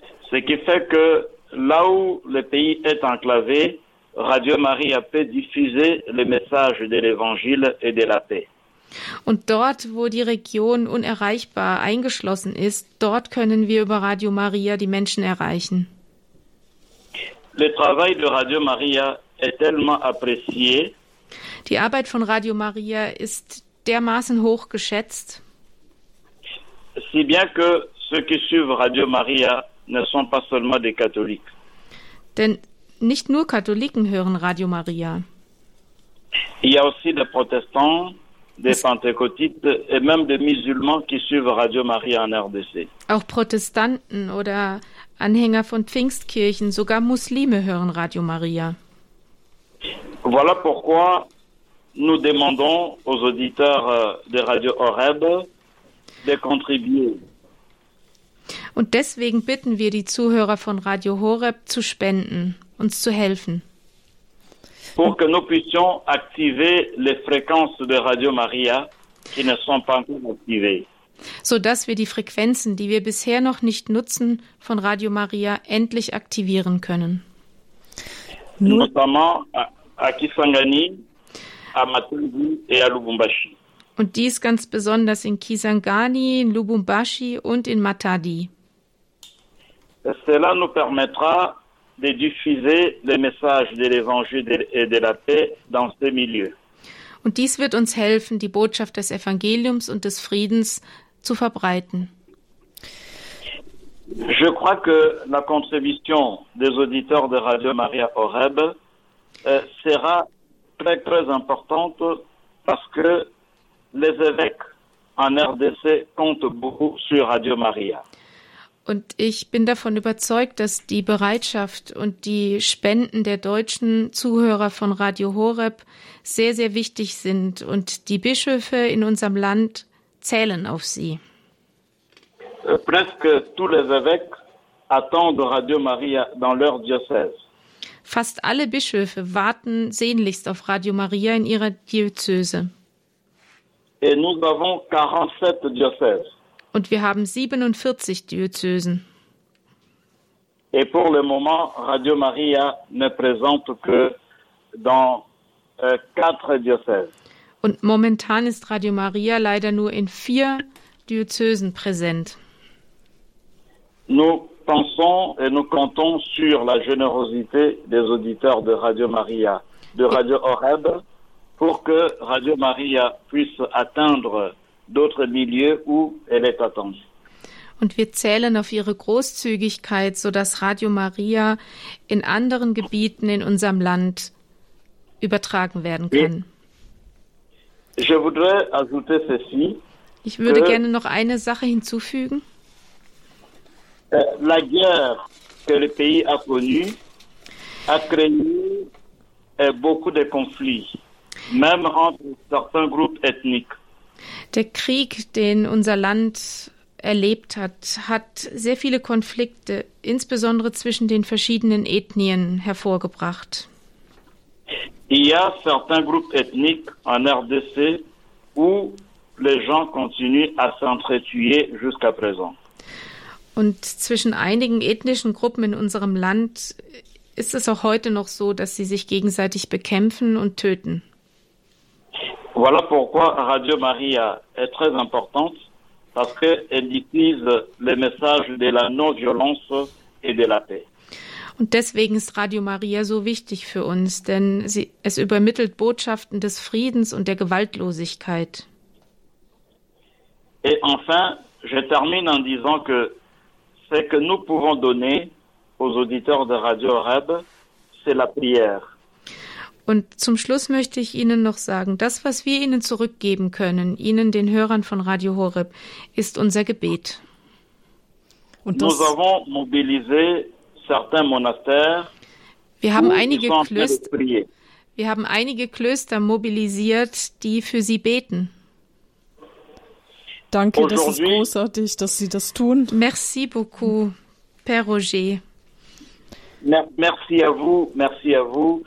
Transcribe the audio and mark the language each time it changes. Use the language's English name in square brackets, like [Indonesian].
[French] Ce qui fait que là où le pays est enclavé, Radio Maria peut diffuser le message de l'Évangile et de la paix. [German] Und dort, wo die Region unerreichbar eingeschlossen ist, dort können wir über Radio Maria die Menschen erreichen. [French] Le travail de Radio Maria est tellement apprécié. [German] Die Arbeit von Radio Maria ist dermaßen hoch geschätzt. [French] Si bien que ceux qui suivent Radio Maria ne sont pas seulement des catholiques. [German] Denn nicht nur Katholiken hören Radio Maria. [French] Il y a aussi des Protestants, des Pentecôtistes et même des Musulmans qui suivent Radio Maria en RDC. [German] Auch Protestanten oder Anhänger von Pfingstkirchen, sogar Muslime hören Radio Maria. [French] Voilà pourquoi nous demandons aux auditeurs de Radio Horeb de contribuer. [German] Und deswegen bitten wir die Zuhörer von Radio Horeb zu spenden. Uns zu helfen. [French] Pour que nous puissions activer les fréquences de Radio Maria qui ne sont pas encore activées. [German] So dass wir die Frequenzen, die wir bisher noch nicht nutzen, von Radio Maria endlich aktivieren können. [French] Notamment à Kisangani, à Matadi et à Lubumbashi. [German] Und dies ganz besonders in Kisangani, in Lubumbashi und in Matadi. [French] Cela nous permettra de diffuser les messages de l'Évangile et de la paix dans ces milieux. [German] Und dies wird uns helfen, die Botschaft des Evangeliums und des Friedens zu verbreiten. [French] Je crois que la contribution des auditeurs de Radio Maria Horeb sera très, très importante parce que les évêques en RDC comptent beaucoup sur Radio Maria. [German] Und ich bin davon überzeugt, dass die Bereitschaft und die Spenden der deutschen Zuhörer von Radio Horeb sehr, sehr wichtig sind. Und die Bischöfe in unserem Land zählen auf sie. [French] Presque tous les évêques attendent Radio Maria dans leur diocèse. [German] Fast alle Bischöfe warten sehnlichst auf Radio Maria in ihrer Diözese. [French] Et nous avons 47 diocèses. [German] Und wir haben 47 Diözesen. [French] Et pour le moment, Radio Maria ne présente que dans 4 diocèses. [German] Und momentan ist Radio Maria leider nur in 4 Diözesen präsent. [French] Nous pensons et nous comptons sur la générosité des auditeurs de Radio Maria, de Radio Horeb, pour que Radio Maria puisse atteindre d'autres milieux où elle est attendue. [German] Und wir zählen auf ihre Großzügigkeit, sodass Radio Maria in anderen Gebieten in unserem Land übertragen werden kann. [French] Je voudrais ajouter ceci. [German] Ich würde gerne noch eine Sache hinzufügen. [French] La guerre que le pays a connue a créé beaucoup de conflits, même entre certains groupes ethniques. [German] Der Krieg, den unser Land erlebt hat, hat sehr viele Konflikte, insbesondere zwischen den verschiedenen Ethnien, hervorgebracht. [French] Il y a certains groupes ethniques en RDC où les gens continuent à s'entretuer jusqu'à présent. [German] Und zwischen einigen ethnischen Gruppen in unserem Land ist es auch heute noch so, dass sie sich gegenseitig bekämpfen und töten. [French] Voilà pourquoi Radio Maria est très importante, parce qu'elle diffuse le message de la non-violence et de la paix. [German] Und deswegen ist Radio Maria so wichtig für uns, denn es übermittelt Botschaften des Friedens und der Gewaltlosigkeit. [French] Et enfin, je termine en disant que ce que nous pouvons donner aux auditeurs de Radio Horeb, c'est la prière. [German] Und zum Schluss möchte ich Ihnen noch sagen, das, was wir Ihnen zurückgeben können, Ihnen, den Hörern von Radio Horeb, ist unser Gebet. Und [French] nous avons mobilisé certains monastères. [German] Wir haben einige Klöster mobilisiert, die für Sie beten. Danke, das ist großartig, dass Sie das tun. [French] Merci beaucoup, Père Roger. Merci à vous, merci à vous.